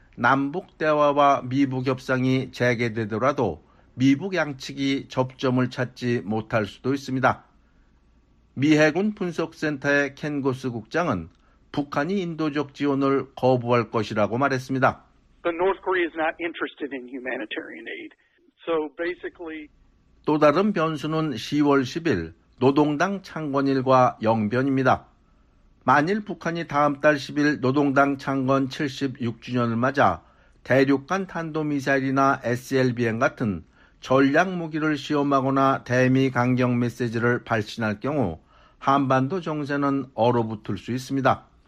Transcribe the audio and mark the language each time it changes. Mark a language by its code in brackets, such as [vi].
[ko] 남북 대화와 미북 협상이 재개되더라도 미북 양측이 접점을 찾지 못할 수도 있습니다. 미 해군 분석센터의 켄 고스 국장은 북한이 인도적 지원을 거부할 것이라고 말했습니다. [en] But North Korea is not interested in humanitarian aid. So basically [ko] 또 다른 변수는 10월 10일 노동당 창건일과 영변입니다. 만일 북한이 다음 달 10일 노동당 창건 76주년을 맞아 대륙간 탄도미사일이나 SLBM 같은 전략무기를 시험하거나 대미 강경 메시지를 발신할 경우 한반도 정세는 얼어붙을 수 있습니다.